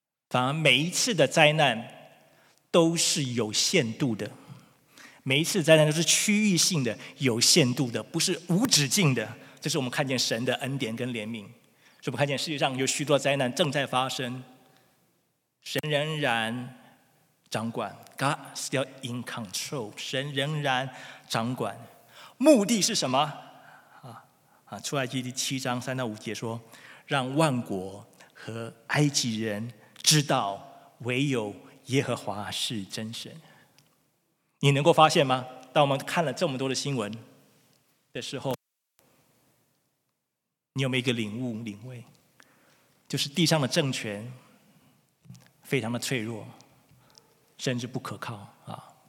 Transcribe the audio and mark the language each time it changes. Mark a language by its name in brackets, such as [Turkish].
[Chinese] 反而每一次的灾难都是有限度的，每一次灾难都是区域性的，有限度的，不是无止境的。这是我们看见神的恩典跟怜悯，所以我们看见世界上有许多灾难正在发生，神仍然掌管。 [English] God still in control， [Chinese] 神仍然掌管。目的是什么？出埃及第七章三到五节说，让万国和埃及人知道唯有耶和华是真神。你能够发现吗？当我们看了这么多的新闻的时候，你有没有一个领悟领会，就是地上的政权非常的脆弱，甚至不可靠啊！